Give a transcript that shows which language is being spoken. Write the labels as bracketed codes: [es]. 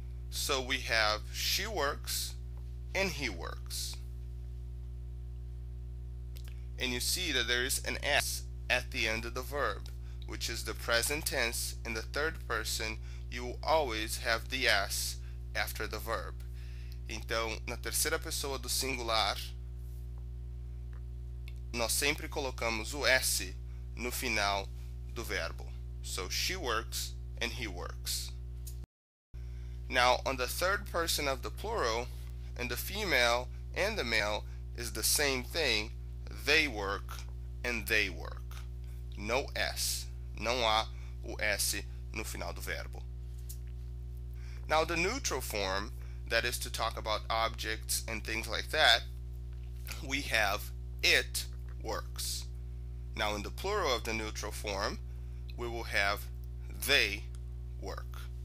[en] So we have she works and he works. And you see that there is an S at the end of the verb, which is the present tense. In the third person, you will always have the S after the verb. [pt] Então, na terceira pessoa do singular, nós sempre colocamos o S no final do verbo. [en] So, she works and he works. Now, on the third person of the plural, in the female and the male is the same thing, they work and they work. No S. [pt] Não há o S no final do verbo. [en] Now, the neutral form, that is to talk about objects and things like that, we have it works. Now, in the plural of the neutral form, we will have they work.